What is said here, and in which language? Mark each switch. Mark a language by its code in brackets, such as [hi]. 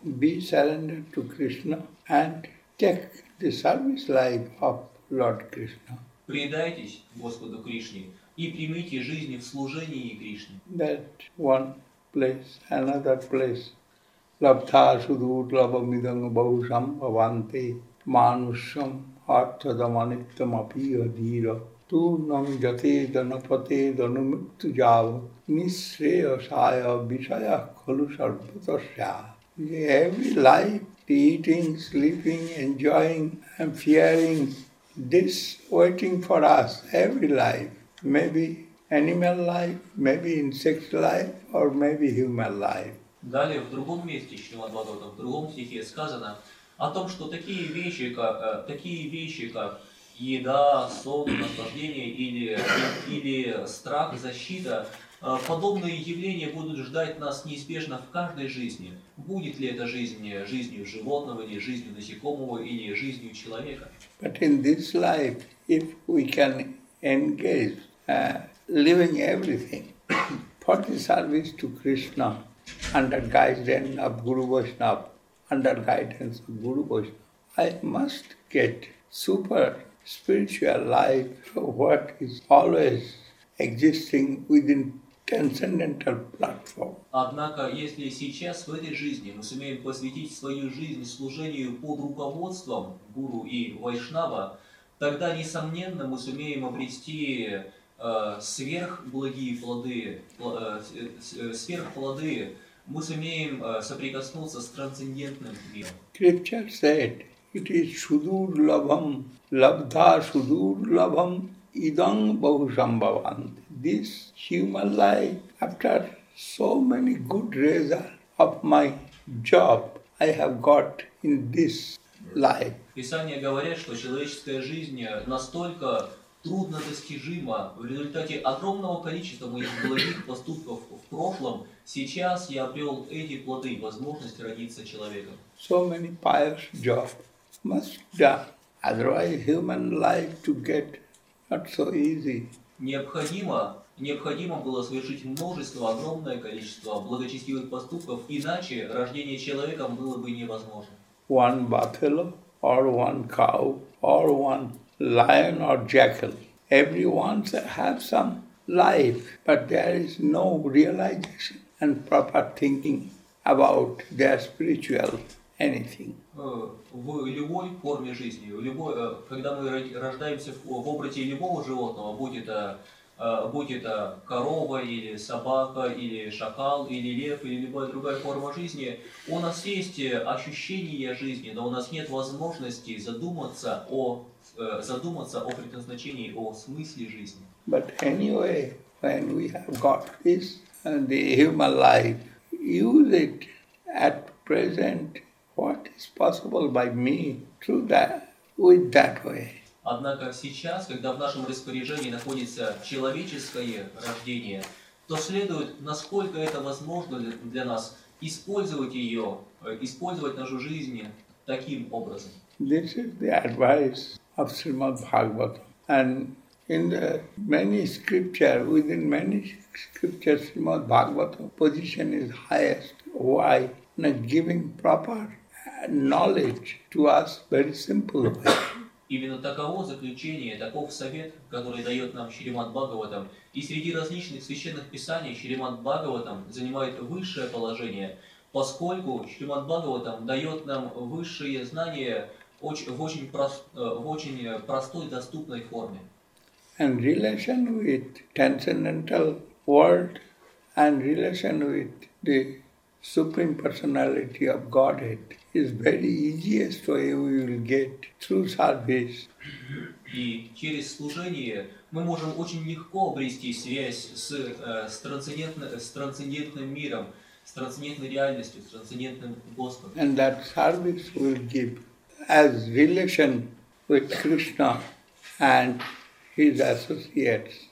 [en] Be surrendered to Krishna and take the service life of Lord Krishna. [ru] Предайтесь Господу Кришне и примите жизнь в служении Кришне. [en] That one place, another place. [sa] Labdha sudhut labha midanga bahusam bhavante manusham arthadam anittam apiya dhira tu nam jate danapate danumittu java nisreya saya vishaya khalu sarvatasya. [en] Every life, eating, sleeping, enjoying, and fearing this waiting for us, every life, maybe animal life, maybe insect life, or maybe human life. [ru] Далее, в другом месте, в другом стихе сказано о том, что такие вещи, как еда, сон, наслаждение или или страх, защита, подобные явления будут ждать нас неизбежно в каждой жизни. Будет ли эта жизнь жизнью животного, или жизнью насекомого, или жизнью человека? [en] But in this life, if we can engage living everything for the service to Krishna, under guidance of Guru Vaishnava, I must get super spiritual life for what is always existing within transcendental platform. [ru] Однако, если сейчас в этой жизни мы сумеем посвятить свою жизнь служению под руководством Гуру и Вайшнава, тогда, несомненно, мы сумеем обрести сверхблагие плоды, сверхплоды, мы сумеем соприкоснуться с трансцендентным миром. [en] Scripture said, it is [sa] sudur labham, labdha sudur labham, idam bahusham bhavanti. [en] This human life, after so many good results of my job, I have got in this life. [ru] Писания говорят, что человеческая жизнь настолько труднодостижима в результате огромного количества моих благих поступков в прошлом, сейчас я обрел эти плоды, возможность родиться человеком. [en] So many pious jobs must be done, otherwise human life to get not so easy. [ru] Необходимо было совершить множество, огромное количество благочестивых поступков, иначе рождение человеком было бы невозможно. [en] One buffalo, or one cow, or one lion or jackal. Everyone has some life, but there is no realization and proper thinking about their spiritual anything. [ru] В любой форме жизни, когда мы рождаемся в образе любого животного, будь это корова, или собака, или шакал, или лев, или любая другая форма жизни, у нас есть ощущение жизни, но у нас нет возможности задуматься о предназначении, о смысле жизни. [en] But anyway, when we have got this and the human life, use it at present what is possible by me through that, with that way. [ru] Однако сейчас, когда в нашем распоряжении находится человеческое рождение, то следует, насколько это возможно для нас, использовать нашу жизнь таким образом. [en] This is the advice of Srimad Bhagavatam. And in the many scriptures, within many scriptures, Srimad Bhagavatam's position is highest. Why? Not giving proper knowledge to us very simple way. [ru] Именно таково заключение, таков совет, который дает нам Шримад Бхагаватам. И среди различных священных писаний Шримад Бхагаватам занимает высшее положение, поскольку Шримад Бхагаватам дает нам высшие знания в очень простой, доступной форме. [en] And relation with transcendental world and relation with the Supreme Personality of Godhead is very easiest way we will get through service. [ru] И через служение мы можем очень легко обрести связь с трансцендентным миром, с трансцендентной реальностью, с трансцендентным Господом. [en] And that service will give as relation with Krishna and his associates.